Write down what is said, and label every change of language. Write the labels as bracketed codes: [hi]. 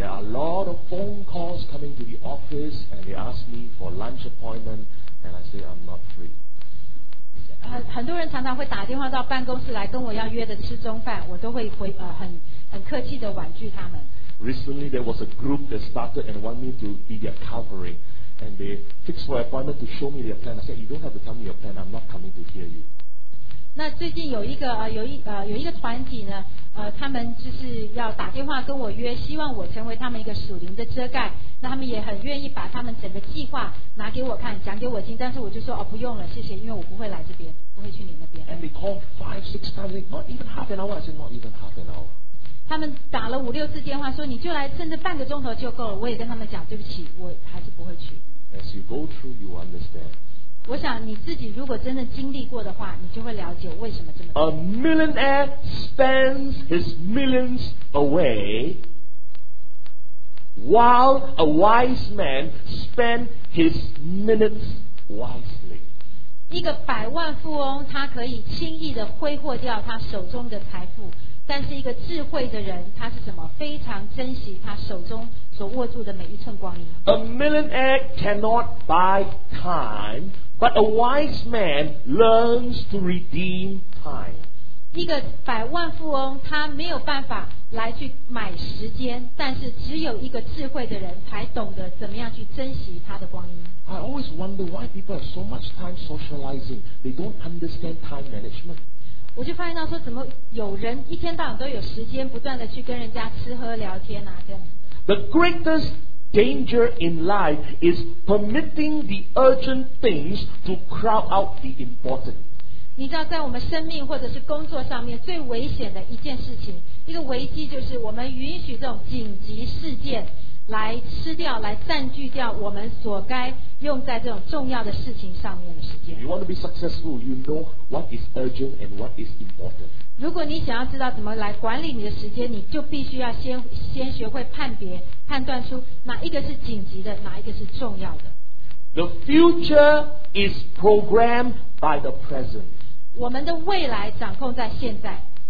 [en] There are a lot of phone calls coming to the office, and they ask me for lunch appointment, and I say I'm not free. [zh] 很多人常常会打电话到办公室来跟我要约的吃中饭，我都会很客气的婉拒他们。 [en] Recently, there was a group that started and want me to be their covering, and they fixed my appointment to show me their plan. I said, "You don't have to tell me your plan. I'm not coming to hear you." [zh] 那最近有一个团体呢他们就是要打电话跟我约，希望我成为他们一个属灵的遮盖，那他们也很愿意把他们整个计划拿给我看，讲给我听，但是我就说不用了，谢谢，因为我不会来这边，不会去你那边。 [en] And they call five, six times, not even half an hour. I said, not even half an hour. [zh] 他们打了五六次电话说你就来甚至半个钟头就够了，我也跟他们讲对不起，我还是不会去。 [en] As you go through, you understand. [zh] 我想你自己如果真的经历过的话，你就会了解为什么这么多。 [en] A millionaire spends his millions away, while a wise man spends his minutes wisely. [zh] 一个百万富翁，他可以轻易的挥霍掉他手中的财富，但是一个智慧的人，他是什么？非常珍惜他手中所握住的每一寸光阴。 [en] A millionaire cannot buy time. But a wise man learns to redeem time. [zh] 一个百万富翁他没有办法来去买时间，但是只有一个智慧的人才懂得怎么样去珍惜他的光阴。 [en] I always wonder why people have so much time socializing. They don't understand time management. [zh] 我就发现到说怎么有人一天到晚都有时间不断的去跟人家吃喝聊天啊，这样。 [en] The greatestDanger in life is permitting the urgent things to crowd out the important. [zh] 你知道在我们生命或者是工作上面最危险的一件事情，一个危机就是我们允许这种紧急事件来吃掉，来占据掉我们所该用在这种重要的事情上面的时间。 [en] You want to be successful, you know what is urgent and what is important. [zh] 如果你想要知道怎么来管理你的时间，你就必须要先学会判别，判断出哪一个是紧急的，哪一个是重要的。 [en] The future is programmed by the present. [zh] 我们的未来掌控在现在。